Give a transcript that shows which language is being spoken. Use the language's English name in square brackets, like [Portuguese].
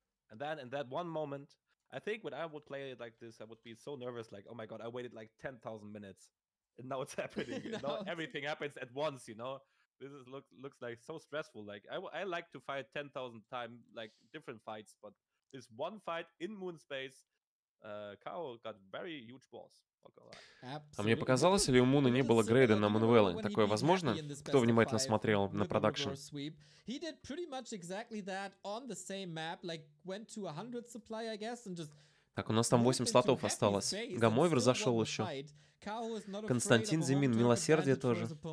[English] And then in that one moment, I think when I would play it like this, I would be so nervous, like, oh my god, I waited like 10,000 minutes, and now it's happening. Now everything happens at once, you know? This is looks like so stressful. Like, I like to fight 10,000 times, like, different fights, but this one fight in Moonspace, Као got very huge boss. [Russian] А мне показалось, или у Муна не было грейда на Мануэлла? Такое возможно? Кто внимательно смотрел на продакшн? [English] He did pretty much exactly that on the same map, like went to 100 supply, I guess, and just. [Russian] Так, у нас там 8 слотов осталось. Гамовер зашел еще. Константин Зимин, милосердие тоже.